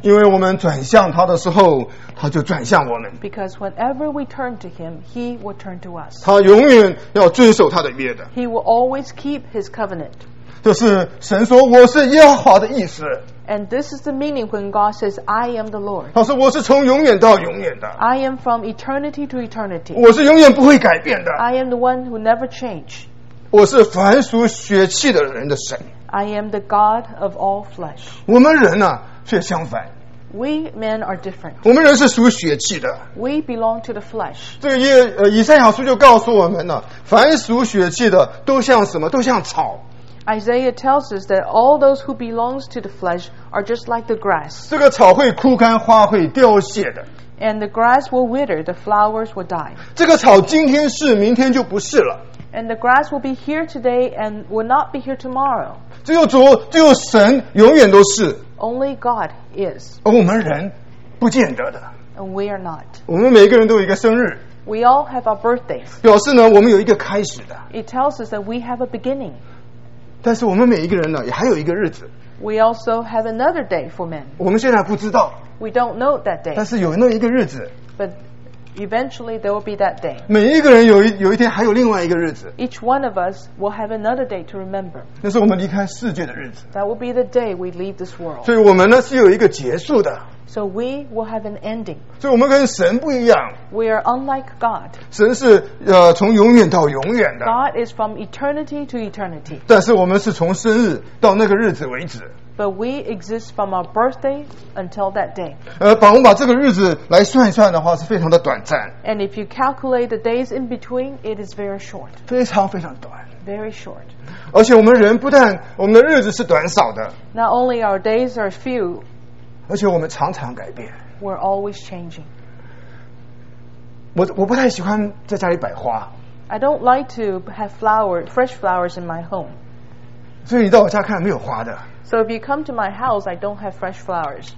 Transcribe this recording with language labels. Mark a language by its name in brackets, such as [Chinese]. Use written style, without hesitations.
[Chinese] 因为我们转向他的时候他就转向我们。 [English] Because whenever we turn to him, he will turn to us. [Chinese] 他永远要遵守他的约的。 [English] He will always keep his covenant. [Chinese] 这是神说我是耶和华的意思。 [English] And this is the meaning when God says, I am the Lord. [Chinese] 他说我是从永远到永远的。 [English] I am from eternity to eternity. [Chinese] 我是永远不会改变的。 [English] I am the one who never change. [Chinese] 我是凡属血气的人的神。 [English] I am the God of all flesh. [Chinese] 我们人呢、啊、却相反。 [English] We men are different. [Chinese] 我们人是属血气的。 [English] We belong to the flesh. [Chinese] 这个以赛亚书就告诉我们了，凡属血气的都像什么？都像草。 [English] Isaiah tells us that all those who belong to the flesh are just like the grass. [Chinese] 这个草会枯干，花会凋谢的。 [English] And the grass will wither, the flowers will die. [Chinese] 这个草今天是，明天就不是了。 [English] And the grass will be here today and will not be here tomorrow. [Chinese] 只有主，只有神，永远都是。 [English] Only God is. [Chinese] 而我们人不见得的。 [English] And we are not. [Chinese] 我们每个人都有一个生日。 [English] We all have our birthdays. [Chinese] 表示呢，我们有一个开始的。 [English] It tells us that we have a beginning. [Chinese] 但是我们每一个人呢，也还有一个日子。 [English] We also have another day for men. [Chinese] 我们现在不知道。 [English] We don't know that day. [Chinese] 但是有那一个日子。 [English] But eventually there will be that day. [Chinese] 每一个人有一天还有另外一个日子。 [English] Each one of us will have another day to remember. [Chinese] 那是我们离开世界的日子。 [English] That will be the day we leave this world. [Chinese] 所以我们呢是有一个结束的。 [English] So we will have an ending. [Chinese] 所以我们跟神不一样。 [English] We are unlike God. [Chinese] 神是从永远到永远的。 [English] God is from eternity to eternity. [Chinese] 但是我们是从生日到那个日子为止。 [English] But we exist from our birthday until that day. [Chinese] 把我们把这个日子来算一算的话，是非常的短暂。 [English] And if you calculate the days in between, it is very short. [Chinese] 非常非常短。 [English] Very short. [Chinese] 而且我们人不但我们的日子是短少的。 [English] Not only our days are few. [Chinese] 而且我们常常改变。 [English] We're always changing. [Chinese] 我不太喜欢在家里摆花。 [English] I don't like to have flowers, fresh flowers in my home. [Chinese] 所以你到我家看没有花的。 [English] So if you come to my house, I don't have fresh flowers.